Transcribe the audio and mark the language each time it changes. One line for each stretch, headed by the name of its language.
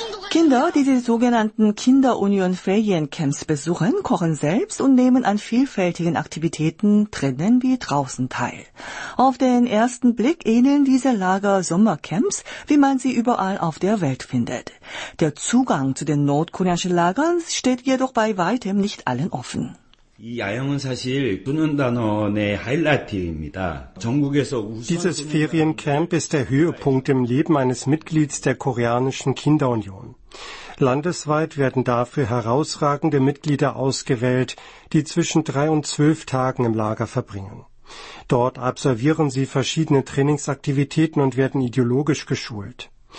German: Kinder, die die sogenannten Kinderunion-Feriencamps besuchen, kochen selbst und nehmen an vielfältigen Aktivitäten drinnen wie draußen teil. Auf den ersten Blick ähneln diese Lager Sommercamps, wie man sie überall auf der Welt findet. Der Zugang zu den nordkoreanischen Lagern steht jedoch bei weitem nicht allen offen.
Korean: 이 야영은 사실 소년단원의 하이라이트입니다. 전국에서 우수한
German: Dieses Feriencamp ist der Höhepunkt im Leben eines Mitglieds der koreanischen Kinderunion. Landesweit werden dafür herausragende Mitglieder ausgewählt, die zwischen 3 und 12 Tagen im Lager verbringen. Dort absolvieren sie verschiedene Trainingsaktivitäten und werden ideologisch geschult.